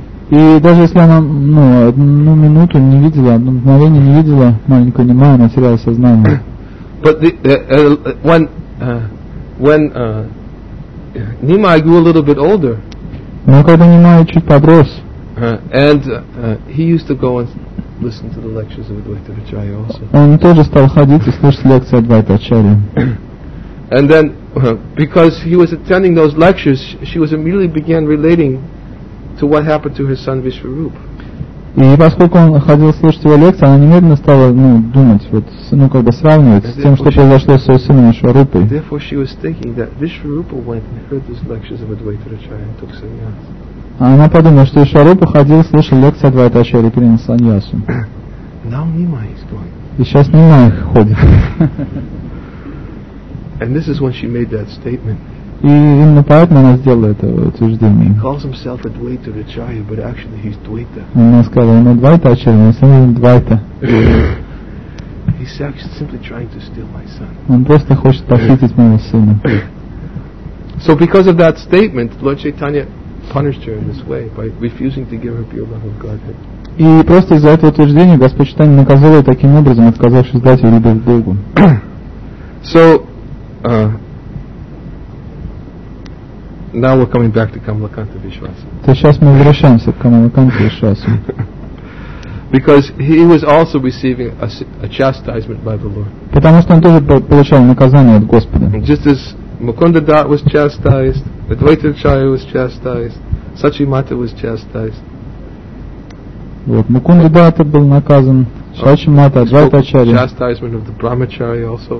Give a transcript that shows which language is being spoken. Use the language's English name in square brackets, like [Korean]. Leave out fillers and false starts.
[Russian] И даже если она, ну, одну минуту не видела, одно мгновение не видела маленького Нимая, она теряла сознание. [English] But the, when Nimai grew a little bit older. [Russian] Но когда Нимай чуть подрос. [English] He used to go and listen to the lectures of Advaita Acharya also. [Russian] Он тоже стал ходить и слушать лекции Адвайта Ачарьи. [English] And then because he was attending those lectures, she was immediately began relating to what happened to her son Vishwarupa. [Russian] И поскольку он ходил слушать его лекции, она немедленно стала, ну, думать, вот, ну, как бы сравнивать с тем, что произошло с ее сыном Вишварупой. [English] Therefore she was thinking that Vishwarupa went and heard these lectures of Advaita Acharya and took sannyas. [Russian] Она подумала, что Вишварупа ходил, слушал лекции Адвайта Ачарьи и принял саньясу. [English] Now Nimai is going. [Russian] И сейчас Нимай ходит. [English] And this is when she made that statement. [Russian] И именно поэтому она сделала это утверждение. [English] He calls himself Advaita Acharya, but actually he's Dvaita. [Russian] Она сказала, он Advaita Acharya, но сам он Dvaita. [English] He's actually simply trying to steal my son. [Russian] Он просто хочет похитить моего сына. [English] So because of that statement, Lord Chaitanya punished her in this way by refusing to give her pure love of Godhead. [Russian] И просто из-за этого утверждения Господь Чайтанья наказал ее таким образом, отказавшись дать ей любовь к Богу. [English] So now we're coming back to Kamalakanta Vishwasa. [Russian] То сейчас мы возвращаемся к Камалаканте Вишвасу. [English] Because he was also receiving a chastisement by the Lord. [Russian] Потому что он тоже получал наказание от Господа. [English] Just as Mukunda Dutt was chastised, Advaita Acharya was chastised, Sachimata was chastised. [Russian] Вот Мукунда Датта был наказан, Сачимата, Адвайта Ачарья. [English] Chastisement of the Brahmachari also.